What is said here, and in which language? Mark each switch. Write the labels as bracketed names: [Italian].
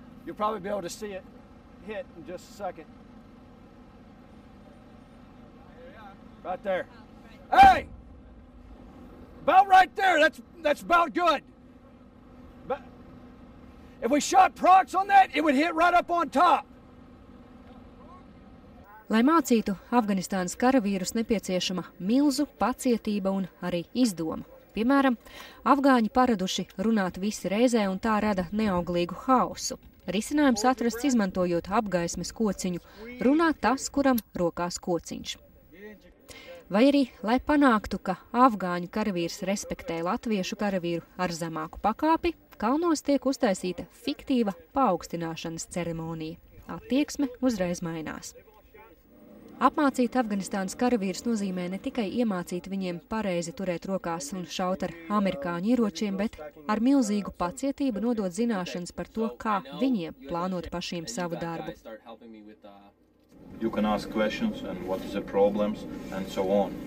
[English] You'll probably be able to see it hit in just a second. Right there. Hey! About right there. That's about good. But if we shot procs on that, it would hit right up on top. [Latvian] Lai mācītu Afganistānas karavīrus, nepieciešama milzu pacietība un arī izdoma. Piemēram, afgāņi paraduši runāt visi reizē un tā rada neauglīgu haosu. Risinājums atrasts izmantojot apgaismes kociņu, runāt tas, kuram rokās kociņš. Vai arī, lai panāktu, ka afgāņu karavīrs respektē latviešu karavīru ar zemāku pakāpi, kalnos tiek uztaisīta fiktīva paaugstināšanas ceremonija. Attieksme uzreiz mainās. Apmācīt Afganistānas karavīrus nozīmē ne tikai iemācīt viņiem pareizi turēt rokās un šaut ar amerikāņu ieročiem, bet ar milzīgu pacietību nodot zināšanas par to, kā viņiem plānot pašiem savu darbu. [English] You can ask questions and what is the problems and so on.